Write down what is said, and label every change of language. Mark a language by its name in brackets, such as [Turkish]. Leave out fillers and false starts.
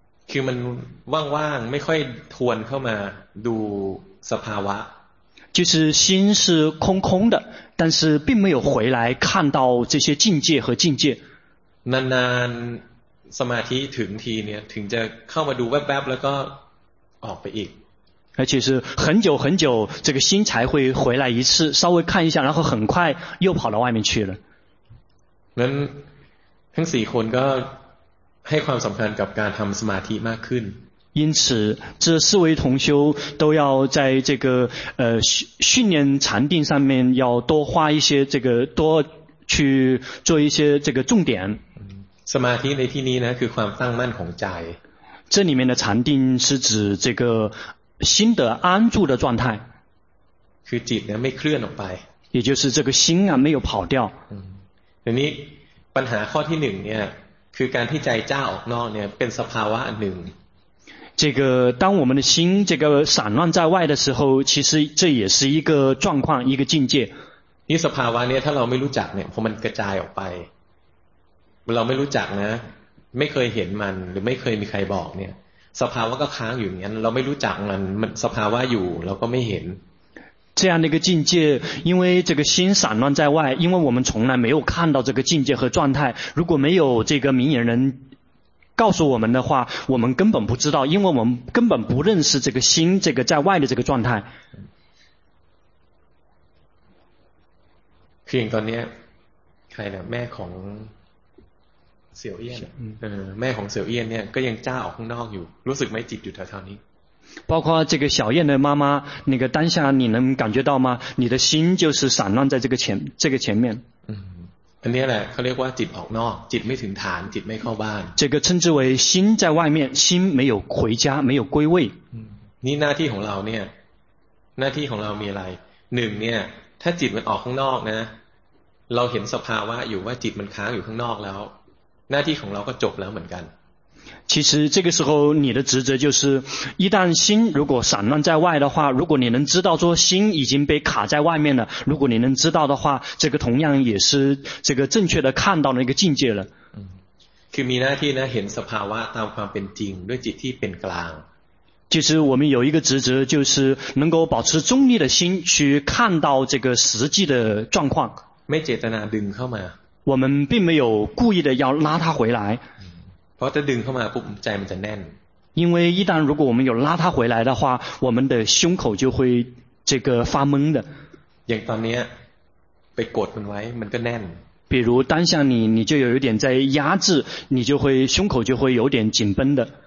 [Thai] คือมันว่างๆไม่ค่อยทวนเข้ามาดูสภาวะ [Chinese] 就是心是空空的但是并没有回来看到这些境界和境界 [Thai] นานๆสมาธิถึงทีเนี่ยถึงจะเข้ามาดูแวบๆแล้วก็ออกไปอีก [Chinese] 而且是很久很久这个心才会回来一次稍微看一下然后很快又跑到外面去了 [Thai] 那ทั้งสี่คนก็ให้ความสำคัญกับการทำสมาธิมากขึ้น [Chinese] 因此这四位同修都要在这个训练禅定上面要多花一些这个多去做一些这个重点 [Thai] สมาธิในที่นี้นะคือความตั้งมั่นของใจ [Chinese] 这里面的禅定是指这个心的安住的状态 [Thai] คือจิตเนี่ยไม่เคลื่อนออกไป [Chinese] 也就是这个心啊没有跑掉 [Thai] ทีนี้ปัญหาข้อที่หนึ่งเนี่ยคือการที่ใจจ้าออกนอกเนี่ยเป็นสภาวะหนึ่ง [Chinese] 这个当我们的心这个散乱在外的时候其实这也是一个状况一个境界 [Thai] นี่สภาวะเนี่ยถ้าเราไม่รู้จักเนี่ยพอมันกระจายออกไปเราไม่รู้จักนะไม่เคยเห็นมันหรือไม่เคยมีใครบอกเนี่ยสภาวะก็ค้างอยู่อย่างนั้นเราไม่รู้จักมันสภาวะอยู่เราก็ไม่เห็น [Chinese] 这样的一个境界因为这个心散乱在外因为我们从来没有看到这个境界和状态如果没有这个明眼人告诉我们的话我们根本不知道因为我们根本不认识这个心这个在外的这个状态 [Thai] คือตอนนี้ใครนะแม่ของเสี่ยวเอี้ยนแม่ของเสี่ยวเอี้ยนเนี่ยก็ยังจ้าออกข้างนอกอยู่รู้สึกไหมจิตอยู่แถวๆนี้ [Chinese] 包括这个小燕的妈妈那个当下你能感觉到吗你的心就是散乱在这个前面 [Thai] อันนี้แหละเขาเรียกว่าจิตออกนอกจิตไม่ถึงฐานจิตไม่เข้าบ้าน [Chinese] 这个称之为心在外面心没有回家没有归位 [Thai] นี่หน้าที่ของเราเนี่ยหน้าที่ของเรามีอะไรหนึ่งเนี่ยถ้าจิตมันออกข้างนอกนะเราเห็นสภาวะอยู่ว่าจิตมันค้างอยู่ข้างนอกแล้วหน้าที่ของเราก็จบแล้วเหมือนกัน [Chinese] 其实这个时候你的职责就是一旦心如果散乱在外的话如果你能知道说心已经被卡在外面了如果你能知道的话这个同样也是这个正确的看到了一个境界了 [Thai] คือมีหน้าที่นะเห็นสภาวะตามความเป็นจริงด้วยจิตที่เป็นกลาง [Chinese] 其实我们有一个职责就是能够保持中立的心去看到这个实际的状况 [Thai] ไม่เจตนาดึงเข้ามา วันไม่ไม่ [Chinese] 有故意的要拉他回来 [Thai] เพราะถ้าดึงเข้ามาปุ๊บใจมันจะแน่น [Chinese] 因为一旦如果我们有拉他回来的话我们的胸口就会这个发闷的 [Thai] อย่างตอนนี้ไปกดมันไว้มันก็แน่น [Chinese] 比如当下你就有点在压制你就会胸口就会有点紧绷的